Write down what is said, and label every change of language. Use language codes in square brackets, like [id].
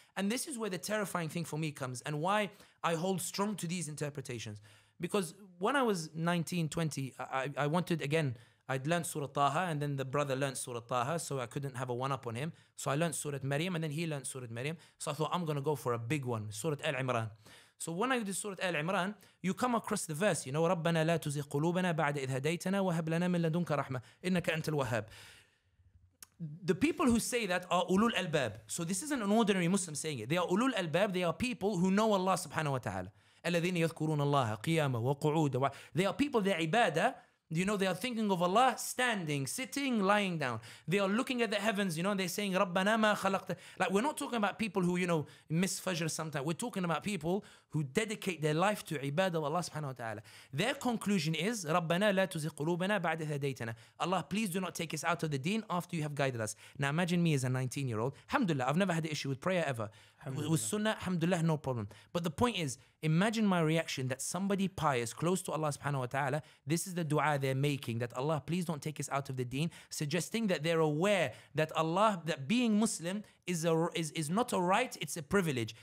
[en] And this is where the terrifying thing for me comes and why I hold strong to these interpretations. Because when I was 19, 20, I wanted, again, I'd learned Surah Taha, and then the brother learned Surah Taha, so I couldn't have a one-up on him. So I learned Surah Maryam, and then he learned Surah Maryam. So I thought, I'm going to go for a big one, Surah Al-Imran. So when I did Surah Al-Imran, you come across the verse, you know, [ar] رَبَّنَا لَا تُزِغْ قُلُوبَنَا بَعْدَ إِذْ هَدَيْتَنَا وَهَبْ لَنَا مِنْ لَدُنْكَ رَحْمَةً إِنَّكَ أَنْتَ الْوَهَّابُ. [en] The people who say that are ulul albab. So this isn't an ordinary Muslim saying it. They are ulul albab. They are people who know Allah subhanahu wa ta'ala. [ar] أَلَّذِينَ يَذْكُرُونَ اللَّهَ قِيَامًا وَقُعُودًا. [en] They are people, their ibadah, you know, they are thinking of Allah standing, sitting, lying down. They are looking at the heavens, you know, and they're saying, [ar] رَبَّنَا مَا خَلَقْتَ. [en] Like, we're not talking about people who, you know, miss Fajr sometimes. We're talking about people who dedicate their life to ibadah of Allah subhanahu wa ta'ala. Their conclusion is, [ar] رَبَّنَا لَا تُزِغْ قُلُوبَنَا بَعْدَ هَدَيْتَنَا. [en] Allah, please do not take us out of the deen after you have guided us. Now imagine me as a 19-year-old. Alhamdulillah, I've never had an issue with prayer ever. With sunnah, alhamdulillah, no problem. But the point is, imagine my reaction that somebody pious, close to Allah subhanahu wa ta'ala, this is the dua they're making, that Allah, please don't take us out of the deen, suggesting that they're aware that Allah, that being Muslim is not a right, it's a privilege.